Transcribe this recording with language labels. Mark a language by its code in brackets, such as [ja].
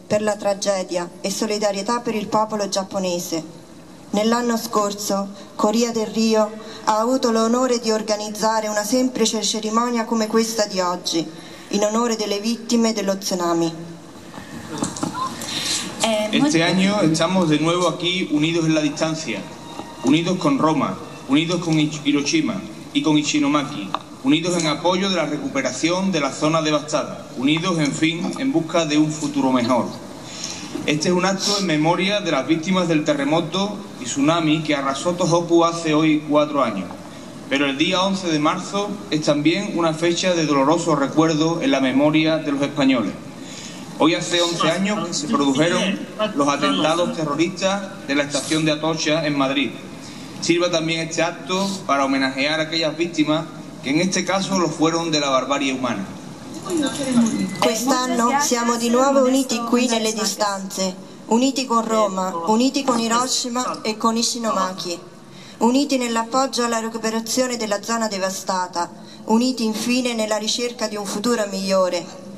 [it] per la tragedia e solidarietà per il popolo giapponese. Nell'anno scorso, Corea del Rio ha avuto l'onore di organizzare una semplice cerimonia come questa di oggi, in onore delle vittime dello tsunami. [es] Este año estamos de nuevo aquí unidos en la distancia, unidos con Roma, unidos con Hiroshima y con Ishinomaki, unidos en apoyo de la recuperación de la zona devastada, unidos en fin en busca de un futuro mejor. Este es un acto en memoria de las víctimas del terremoto y tsunami que arrasó Tohoku hace hoy 4 años. Pero el día 11 de marzo es también una fecha de doloroso recuerdo en la memoria de los españoles. Hoy hace 11 años que se produjeron los atentados terroristas de la estación de Atocha en Madrid. Sirva también este acto para homenajear a aquellas víctimas que en este caso lo fueron de la barbarie humana. [it] Quest'anno siamo di nuovo uniti qui nelle distanze, uniti con Roma, uniti con Hiroshima e con Ishinomaki, uniti nell'appoggio alla recuperazione della zona devastata, uniti infine nella ricerca di un futuro migliore.